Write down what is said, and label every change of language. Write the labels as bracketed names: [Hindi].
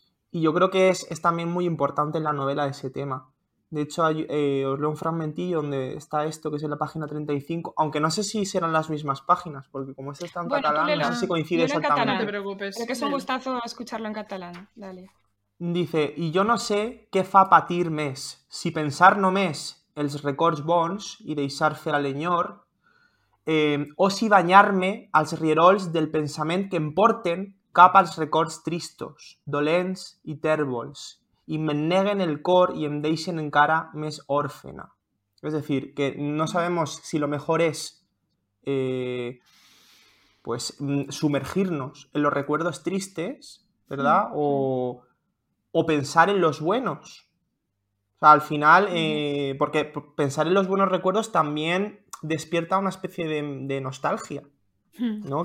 [Spanish] Y yo creo que es también muy importante en la novela ese tema. De hecho, os leo un fragmentillo donde está esto, que es en la página 35, aunque no sé si serán las mismas páginas, porque como es tan catalán, no sé si coincide exactamente. No te preocupes. Creo que es un gustazo escucharlo en catalán. Dale. Dice, [Catalan] y jo no sé què fa patir més, si pensar només els records bons i deixar fer a l'enyor, o si banyar-me als rierols del pensament que em porten cap als records tristos, dolents i tèrbols, i me neguen el cor i em deixen encara més òrfena. [Spanish] És a dir, que no sabemos si lo mejor es pues, sumergirnos en los recuerdos tristes, ¿verdad? Mm-hmm. O pensar en los buenos. O sea, al final, porque pensar en los buenos recuerdos también despierta una especie de nostalgia, ¿no?